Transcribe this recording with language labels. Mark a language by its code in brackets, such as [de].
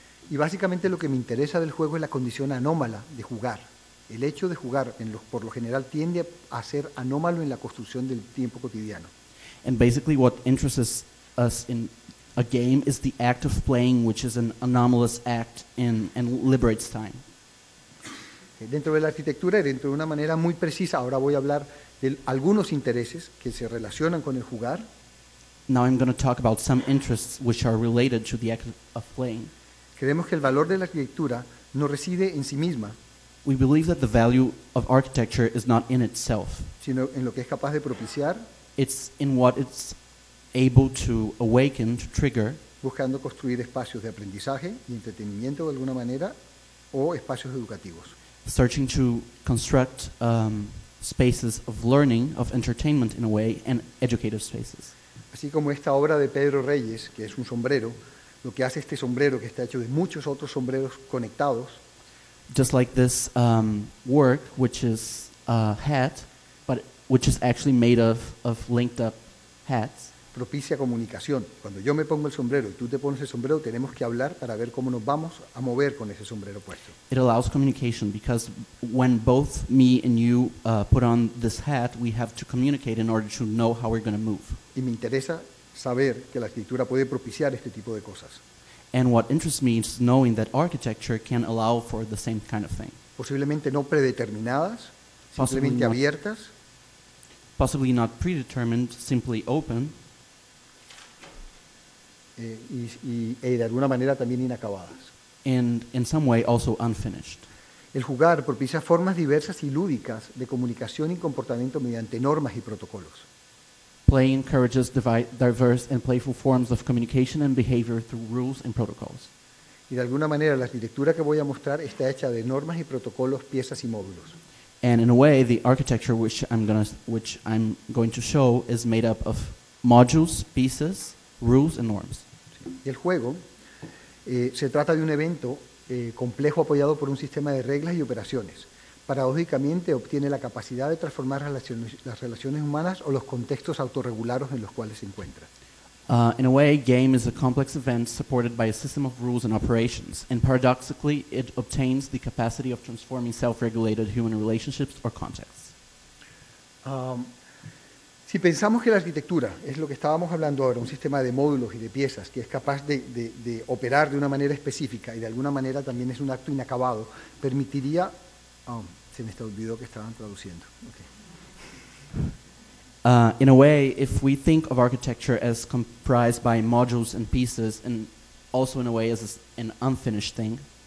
[es] Y básicamente lo que me interesa del juego es la condición anómala de jugar. El hecho de jugar por lo general tiende a ser anómalo en la construcción del tiempo cotidiano. [en] And basically what interests us in a game is the act of playing, which is an anomalous act and liberates time. [es] Dentro de la arquitectura y dentro de una manera muy precisa, ahora voy a hablar de algunos intereses que se relacionan con el jugar. [en] Now I'm going to talk about some interests which are related to the act of playing. [es] Creemos que el valor de la arquitectura no reside en sí misma. [en] We believe that the value of architecture is not in itself. [es] Sino en lo que es capaz de propiciar. [en] It's in what it's able to awaken, to trigger. [es] Buscando construir espacios de aprendizaje y entretenimiento de alguna manera o espacios educativos. [en] Searching to construct spaces of learning, of entertainment in a way, and educative spaces. [es] Así como esta obra de Pedro Reyes, que es un sombrero, lo que hace este sombrero, que está hecho de muchos otros sombreros conectados. [en] Just like this work, which is a hat, but which is actually made of linked up hats. [es] Propicia comunicación. Cuando yo me pongo el sombrero y tú te pones el sombrero, tenemos que hablar para ver cómo nos vamos a mover con ese sombrero puesto. [en] It allows communication because when both me and you put on this hat, we have to communicate in order to know how we're going to move. [es] Y me interesa saber que la arquitectura puede propiciar este tipo de cosas. [en] And what interests me is knowing that architecture can allow for the same kind of thing. [es] Posiblemente no predeterminadas, simplemente abiertas. [en] Possibly not predetermined, simply open. [es] Y de alguna manera también inacabadas. [en] And in some way also unfinished. [es] El jugar propicia formas diversas y lúdicas de comunicación y comportamiento mediante normas y protocolos. [en] Play encourages diverse and playful forms of communication and behavior through rules and protocols. [es] Y de alguna manera la arquitectura que voy a mostrar está hecha de normas y protocolos, piezas y módulos. [en] And in a way, the architecture which I'm going to show is made up of modules, pieces, rules and norms. [es] Y el juego se trata de un evento complejo apoyado por un sistema de reglas y operaciones. Paradójicamente obtiene la capacidad de transformar las relaciones humanas o los contextos autorregulados en los cuales se encuentra. [en] In a way, game is a complex event supported by a system of rules and operations, and paradoxically, it obtains the capacity of transforming self-regulated human relationships or contexts. [es] Si pensamos que la arquitectura es lo que estábamos hablando ahora, un sistema de módulos y de piezas que es capaz de operar de una manera específica y de alguna manera también es un acto inacabado, permitiría... se me olvidó que estaban traduciendo. Okay. [en] In a way, if we think of architecture as comprised by modules and pieces, and also in a way as an unfinished thing,